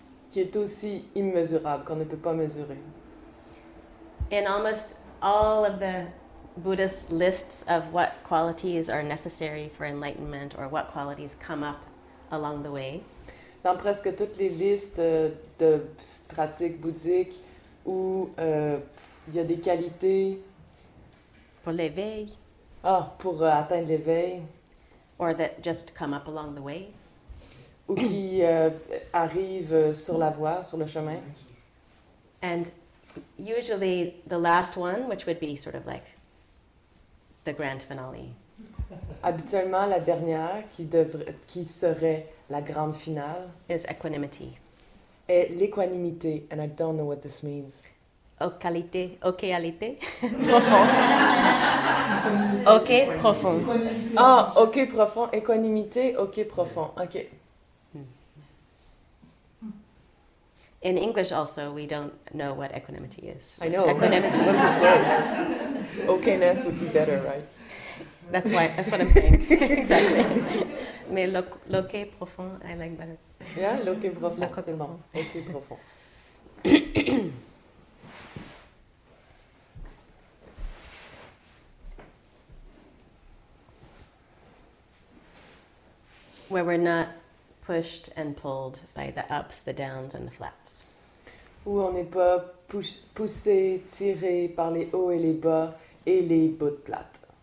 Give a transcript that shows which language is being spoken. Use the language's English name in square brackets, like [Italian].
[French] Qui est aussi immesurable, qu'on ne peut pas mesurer. [English] In almost all of the Buddhist lists of what qualities are necessary for enlightenment or what qualities come up along the way. [French] Dans presque toutes les listes de pratiques bouddhiques où il y a des qualités pour l'éveil. Ah, pour atteindre l'éveil. [English] Or that just come up along the way. [French] Ou qui arrive sur la voie, sur le chemin. [English] And usually the last one, which would be sort of like the grand finale. [French] Habituellement, la dernière qui serait la grande finale [English] is equanimity. [French] Est l'équanimité, [English] and I don't know what this means. [French] Okalité. Profond. Okay, profond. Ah, okay, profond. Équanimité, okay, profond. Okay. [English] In English also, we don't know what equanimity is. I know. Equanimity. What's this word? Okayness would be better, right? That's what I'm saying. Exactly. [French] Mais loqué profond, [English] I like better. [French] Yeah, loqué profond, loqué c'est bon. Loqué profond. [English] Where we're not pushed and pulled by the ups, the downs, and the flats. [French] Où on n'est pas poussé, tiré par les hauts et les bas et les bouts de plate.